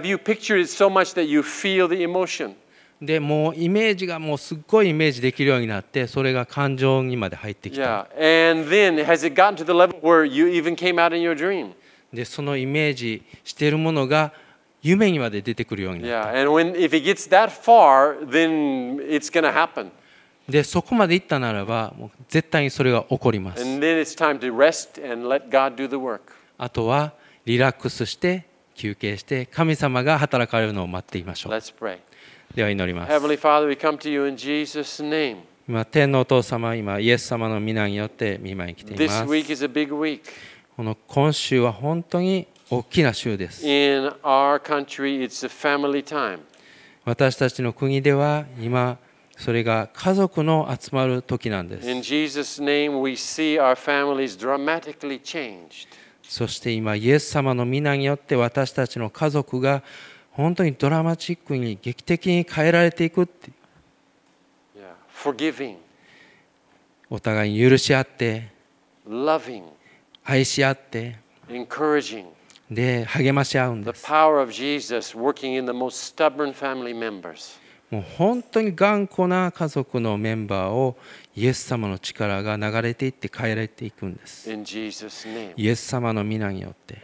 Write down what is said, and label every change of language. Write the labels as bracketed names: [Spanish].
[English] Have you pictured it so much that you feel the emotion? [Japanese] で、もうイメージがもうすっごいイメージできるようになって、それが感情にまで入ってきた。 [English] Yeah. And then has it gotten to the level where you even came out in your dream? [Japanese] で、そのイメージしているものが夢にまで出てくるようになった。 [English] Yeah. And when if it gets that far, then it's going to happen. [Japanese] でそこまで行ったならばもう絶対にそれが起こります。あとはリラックスして休憩して神様が働かれるのを待っていましょう。では祈ります。 [English] Heavenly Father, we come to you in Jesus' name. [Japanese] 今天のお父様、今イエス様の御名によって御前に来ています。 [English] This week is a big week. [Japanese] この今週は本当に大きな週です。 [English] In our country, it's a family time. [Japanese] 私たちの国では今それが家族の集まる時なんです。 [English] In Jesus' name, we see our families dramatically changed. [Japanese] そして今イエス様の御名によって私たちの家族が本当にドラマチックに劇的に変えられていくって。 [English] Yeah. Forgiving. [Japanese] お互いに許し合って、 [English] Loving. [Japanese] 愛し合って、 [English] Encouraging. [Japanese] で励まし合うんです。 [English] The power of Jesus working in the most stubborn family members. [Japanese] もう本当に頑固な家族のメンバーをイエス様の力が流れていって変えられていくんです。 [English] In Jesus' name. [Japanese] イエス様の御名によって。